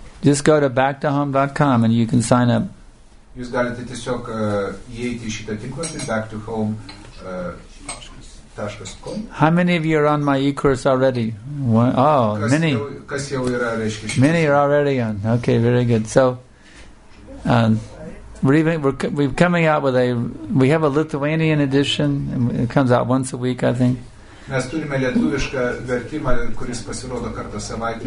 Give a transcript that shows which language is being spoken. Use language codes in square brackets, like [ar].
[en] just go to backtohome.com and you can sign up. [lt] Jūs galite tiesiog įeiti į šitą tinklapį backtohome.com. [en] How many of you are on my e-course already? Oh, [lt] kas [en] many. [lt] Kas jau yra, reiškia, [en] šitą. Many are already on. Okay, very good. So, we're coming out with we have a Lithuanian edition and it comes out once a week, I think. [lt] Mes turime lietuvišką vertimą, kuris pasirodo kartą savaitę.